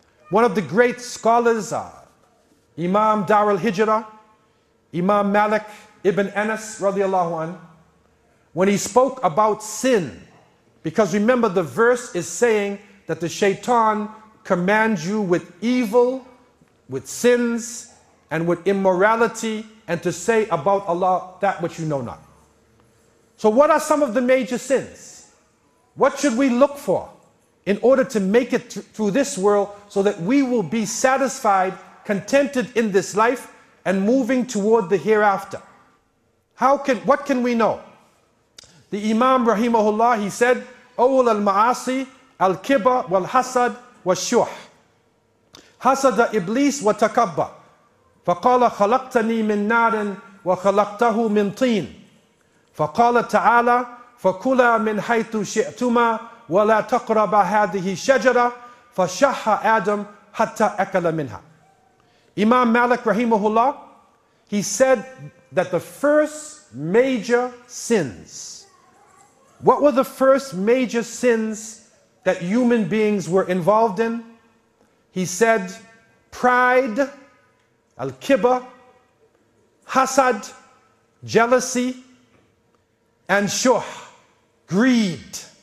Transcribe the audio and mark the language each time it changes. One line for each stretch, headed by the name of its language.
English: One of the great scholars, Imam Dar al-Hijrah, Imam Malik ibn Anas, radiallahu anhu, when he spoke about sin, because remember the verse is saying that the shaitan commands you with evil, with sins, and with immorality, and to say about Allah that which you know not. So what are some of the major sins? What should we look for in order to make it through this world so that we will be satisfied, contented in this life, and moving toward the hereafter? What can we know? The Imam Rahimahullah, he said,
Arabic: أول المعاصي الكبر والحسد والشح حسد إبليس وتكبر فقال خلقتني من نار وخلقته من طين فقال تعالى فكلا من حيث شئتما ولا تقرب هذه الشجرة فشح آدم حتى أكل منها.
English: Imam Malik Rahimahullah, he said that the first major sins, what were the first major sins that human beings were involved in? He said, pride, al-kibr, hasad, jealousy, and shuh, greed.